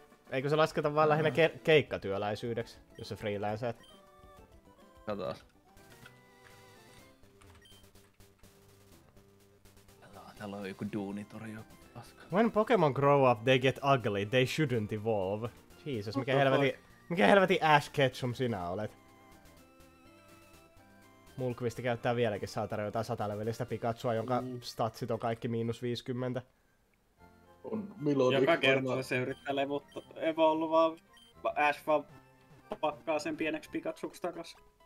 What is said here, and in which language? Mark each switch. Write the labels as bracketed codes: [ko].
[fi] Eikö se lasketa vaan lähinnä keikkatyöläisyydeksi, jos sä freelancet? Katsotaan. Täällä on joku duunitori joku paska. [en] When Pokemon grow up, they get ugly, they shouldn't evolve. [fi] Jesus, mikä helveti... Mikä helveti Ash Ketchum sinä olet? Mulkvisti käyttää vieläkin saatana jotain 100-levelistä Pikachua, jonka statsit on kaikki miinus 50. On melodic. Joka kerta se yrittää levuttaa, evolvaa, Ash vaan pakkaa sen pieneksi Pikachuksi takas.